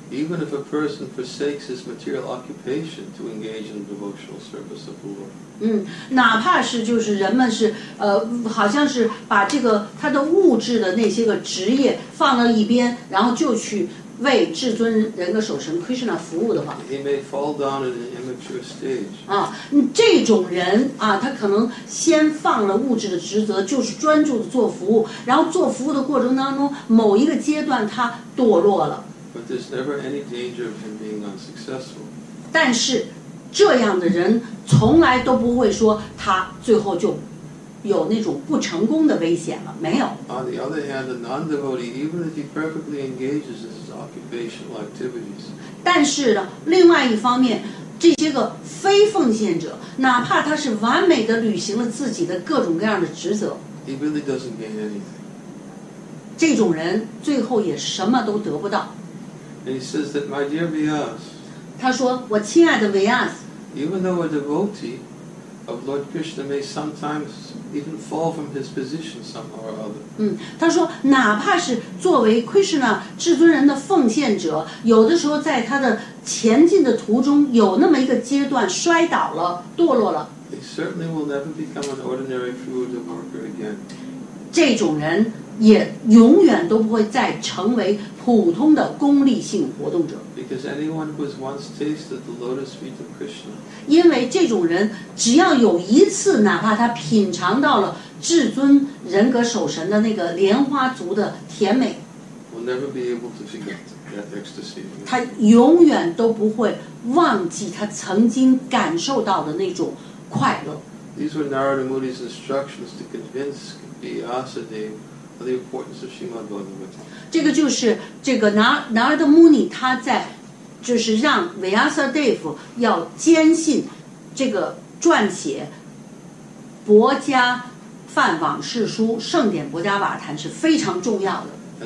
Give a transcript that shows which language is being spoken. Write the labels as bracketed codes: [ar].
[en] Even if a person forsakes his material occupation to engage in the devotional service of the Lord. [zh] 哪怕是就是人们是好像是把这个他的物质的那些个职业放到一边，然后就去为至尊人格守神 Krishna 服务的话 [en] He may fall down in an immature stage [zh] 这种人他可能先放了物质的职责就是专注的做服务然后做服务的过程当中某一个阶段他堕落了 [en] But there's never any danger of him being unsuccessful [zh] 但是这样的人从来都不会说他最后就有那种不成功的危险了没有 [en] On the other hand, a non-devotee, even if he perfectly engages his occupational activities [zh] 但是呢另外一方面这些个非奉献者哪怕他是完美的履行了自己的各种各样的职责 [en] he really doesn't gain anything [zh] 这种人最后也什么都得不到 [en] And he says that, my dear Vyas [zh] 他说我亲爱的 Vyas [en] even though a devotee of Lord Krishna may sometimesEven fall from his position somehow or other. [zh] 他说哪怕是作为 Krishna 至尊人的奉献者，有的时候在他的前进的途中有那么一个阶段摔倒了，堕落了。 [en] He certainly will never become an ordinary fruit of worker again. [zh] 这种人也永远都不会再成为普通的功利性活动者。 [en] Because anyone who has once tasted the lotus feet of Krishna, [zh] 因为这种人只要有一次，哪怕他品尝到了至尊人格守神的那个莲花足的甜美， [en] will never be able to forget that ecstasy. 他永远都不会忘记他曾经感受到的那种快乐。 These were Narada Muni's instructions to convince Vyasadeva. The importance of Srimad Bhagavatam. [zh] 这个就是这个Narada Muni他在就是让 Vyasadeva 要坚信这个撰写薄伽梵往事书圣典薄伽瓦坛是非常重要的。